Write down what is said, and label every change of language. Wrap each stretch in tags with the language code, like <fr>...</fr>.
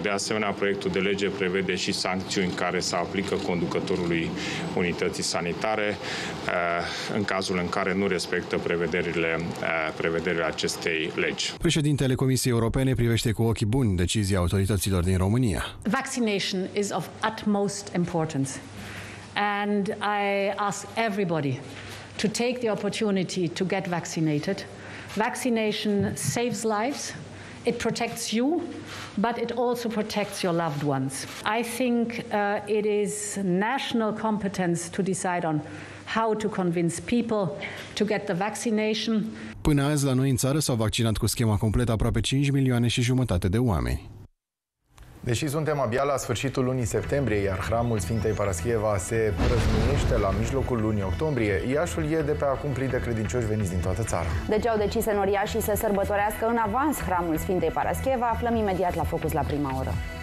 <ro>De asemenea, proiectul de lege prevede și sancțiuni care se aplică conducătorului unității sanitare în cazul în care nu respectă prevederile acestei legi. Președintele Comisiei Europene privește cu ochii buni decizia autorităților din România.</ro> <en>Vaccination is of utmost importance. And I ask everybody to take the opportunity to get vaccinated. Vaccination saves lives. It protects you, but it also protects your loved ones. I think it is national competence to decide on how to convince people to get the vaccination.</en> <ro>Până azi, la noi în țară s-au vaccinat cu schema completă aproape 5 milioane și jumătate de oameni. Deși suntem abia la sfârșitul lunii septembrie, iar hramul Sfintei Parascheva se prăzmânește la mijlocul lunii octombrie, Iașul e de pe acum plin de credincioși veniți din toată țara. De ce au decis senoriașii să sărbătorească în avans hramul Sfintei Parascheva, aflăm imediat la Focus la prima oră.</ro>